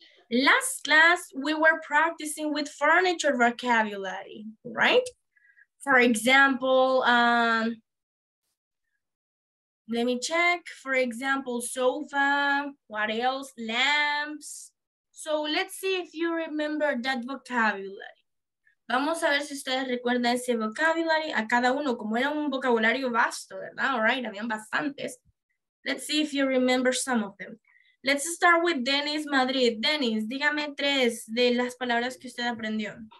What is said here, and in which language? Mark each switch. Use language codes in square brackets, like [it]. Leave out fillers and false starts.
[en] Last class, we were practicing with furniture vocabulary, right? For example, let me check. For example, sofa, what else? Lamps. So let's see if you remember that vocabulary. [es] Vamos a ver si ustedes recuerdan ese vocabulary a cada uno, como era un vocabulario vasto, ¿verdad? All right, habían bastantes. [en] Let's see if you remember some of them. Let's start with Dennis Madrid. [es] Dennis, dígame 3 de las palabras que usted aprendió.